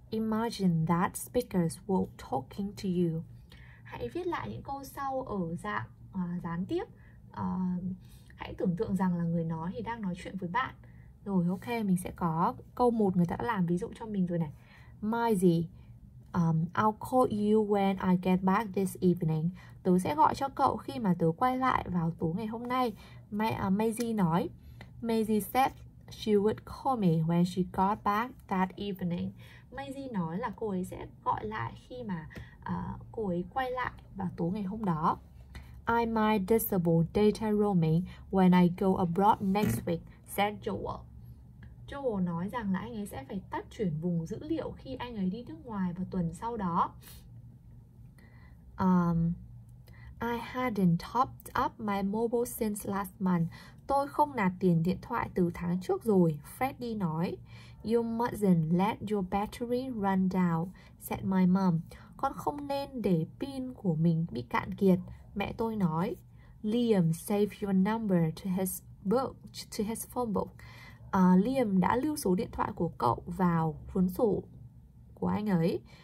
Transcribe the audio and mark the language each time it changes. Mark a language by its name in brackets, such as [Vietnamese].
[English] Imagine that speakers were talking to you. [Vietnamese] Hãy viết lại những câu sau ở dạng gián tiếp. Hãy tưởng tượng rằng là người nói thì đang nói chuyện với bạn. Rồi, ok, mình sẽ có câu 1 người ta đã làm ví dụ cho mình rồi này. My gì? [English] I'll call you when I get back this evening. [Vietnamese] Tớ sẽ gọi cho cậu khi mà tớ quay lại vào tối ngày hôm nay. Maisie nói. [English] Maisie said she would call me when she got back that evening. [Vietnamese] Maisie nói là cô ấy sẽ gọi lại khi mà cô ấy quay lại vào tối ngày hôm đó. [English] I might disable data roaming when I go abroad next week, said Joel. [Vietnamese] Joel nói rằng là anh ấy sẽ phải tắt chuyển vùng dữ liệu khi anh ấy đi nước ngoài vào tuần sau đó. [English] I hadn't topped up my mobile since last month. [Vietnamese] Tôi không nạp tiền điện thoại từ tháng trước rồi, Freddy nói. [English] You mustn't let your battery run down, said my mom. [Vietnamese] Con không nên để pin của mình bị cạn kiệt, mẹ tôi nói. [English] Liam saved your number to his book, to his phone book. [Vietnamese] Liam đã lưu số điện thoại của cậu vào cuốn sổ của anh ấy.